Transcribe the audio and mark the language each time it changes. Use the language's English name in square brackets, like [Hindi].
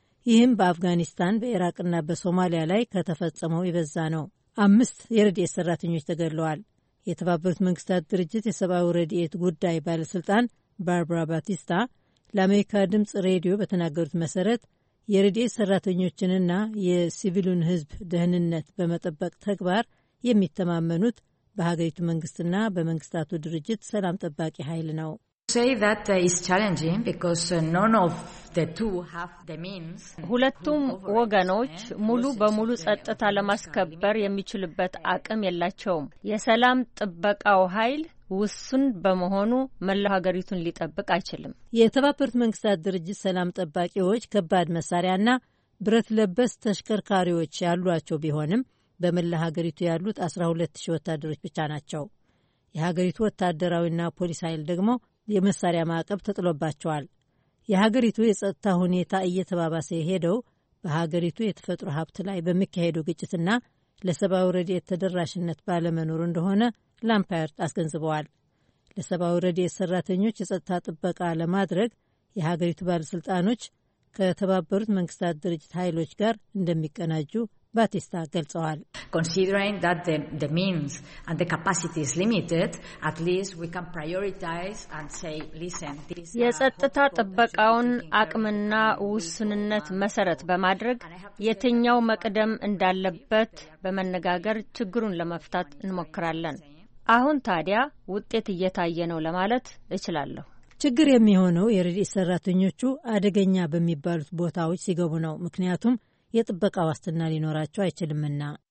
[Amharic] ይህም በአፍጋኒስታን፣ በኢራቅና በሶማሊያ ላይ ከተፈጸመው የበዛ ነው። 5 የረድኤት ሰራተኞች ተገድለዋል። የተባበሩት መንግስታት ድርጅት የሰብአዊ ረድኤት ጉዳይ ባለሥልጣን ባርባራ ባቲስታ ለአሜሪካ ድምፅ ሬዲዮ በተናገሩት መሠረት የረድኤት ሰራተኞችንና የሲቪሉን ህዝብ ደህንነት በመጠበቅ ተግባር የሚተማመኑት በሀገሪቱ መንግስትና በመንግስታቱ ድርጅት ሰላም ጠባቂ ኃይል ነው። [English] Say that is challenging because none of the two have the means. [Amharic] ሁለቱም ወገኖች ሙሉ በሙሉ ጸጥታ ለማስከበር የሚችልበት አቅም የላቸውም። የሰላም ጥበቃው ኃይል ውስን በመሆኑ መላ ሀገሪቱን ሊጠብቅ አይችልም። የተባበሩት መንግስታት ድርጅት ሰላም ጠባቂዎች ከባድ መሳሪያና ብረት ለበስ ተሽከርካሪዎች ያሏቸው ቢሆንም በመላ ሀገሪቱ ያሉት 12000 ወታደሮች ብቻ ናቸው። የሀገሪቱ ወታደራዊና ፖሊስ ኃይል ደግሞ የመሳሪያ ማዕቀብ ተጥሎባቸዋል። የሀገሪቱ የጸጥታ ሁኔታ እየተባባሰ የሄደው በሀገሪቱ የተፈጥሮ ሀብት ላይ በሚካሄደው ግጭትና ለሰብአዊ ረድኤት ተደራሽነት ባለመኖሩ እንደሆነ ላምፓርት አስገንዝበዋል። ለሰብአዊ ረድኤት ሰራተኞች የጸጥታ ጥበቃ ለማድረግ የሀገሪቱ ባለሥልጣኖች ከተባበሩት መንግስታት ድርጅት ኃይሎች ጋር እንደሚቀናጁ ባቲስታ ገልጸዋል። [English] Considering that the means and the capacity is limited, at least we can prioritize and say, listen, this [Amharic] የጸጥታ ጥበቃውን አቅምና ውስንነት መሰረት በማድረግ የትኛው መቅደም እንዳለበት በመነጋገር ችግሩን ለመፍታት እንሞክራለን። አሁን ታዲያ ውጤት እየታየ ነው ለማለት እችላለሁ። ችግር የሚሆነው የረድኤት ሰራተኞቹ አደገኛ በሚባሉት ቦታዎች ሲገቡ ነው። ምክንያቱም የጥበቃ ዋስትና ሊኖራቸው አይችልምና።